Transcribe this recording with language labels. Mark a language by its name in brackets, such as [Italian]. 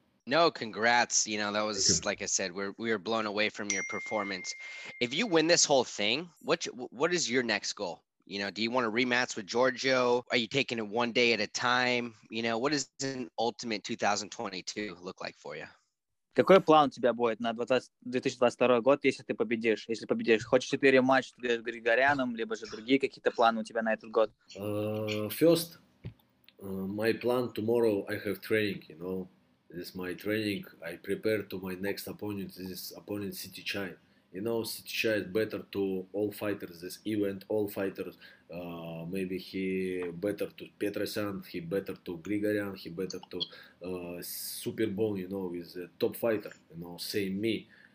[English] No, congrats. You know, that was, like I said, we were blown away from your performance. If you win this whole thing, what is your next goal? You know, do you want a rematch with Giorgio? Are you taking it one day at a time? You know, what does an ultimate 2022 look like for you? [Russian] Какой план у тебя будет на 2022 год, если ты победишь? Если победишь, хочешь ли ты рематч с Григоряном, либо же другие какие-то планы у тебя на этот год? [English] First, my plan tomorrow, I have training, you know. This is my training. I prepare to my next opponent. This is opponent City Chai. You know, City Chai is better to all fighters. This event, all fighters. Maybe he better to Petrosyan, he better to Grigorian, he better to Superbone, you know, is a top fighter, you know, same me.